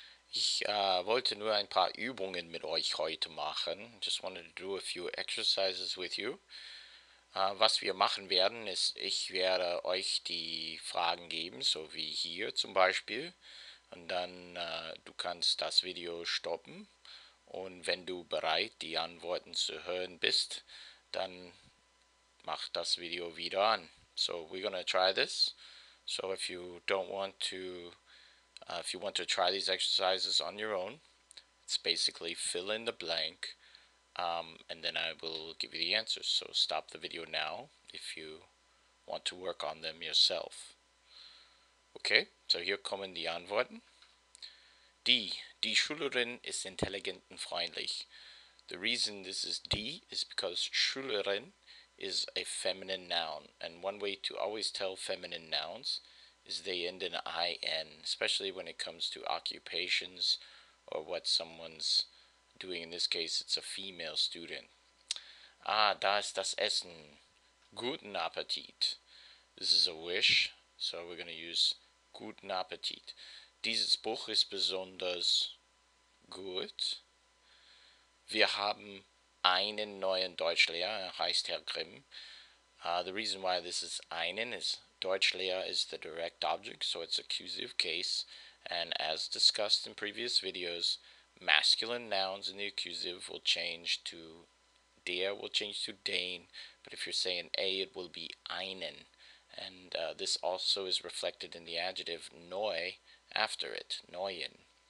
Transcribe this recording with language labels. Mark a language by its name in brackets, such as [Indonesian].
[German] Ich wollte nur ein paar Übungen mit euch heute machen. [English] Just wanted to do a few exercises with you. [German] Was wir machen werden, ist, ich werde euch die Fragen geben, so wie hier zum Beispiel. Und dann du kannst das Video stoppen. Und wenn du bereit, die Antworten zu hören bist, dann mach das Video wieder an. [English] So, we're gonna try this. So, if you don't want to, if you want to try these exercises on your own, it's basically fill in the blank, and then I will give you the answers. So, stop the video now if you want to work on them yourself. [German] Okay, so hier kommen die Antworten. Die Schülerin ist intelligent und freundlich. [English] The reason this is die is because Schülerin is a feminine noun, and one way to always tell feminine nouns is they end in IN, especially when it comes to occupations or what someone's doing. In this case, it's a female student. [German] Ah, da ist das Essen. Guten Appetit. [English] This is a wish, so we're going to use guten Appetit. [German] Dieses Buch ist besonders gut. Wir haben einen neuen Deutschlehrer, heißt Herr Grimm. [English] The reason why this is einen is Deutschlehrer is the direct object, so it's accusative case. And as discussed in previous videos, masculine nouns in the accusative will change to der, will change to den. But if you're saying a, it will be einen. And this also is reflected in the adjective neu after it, neuen.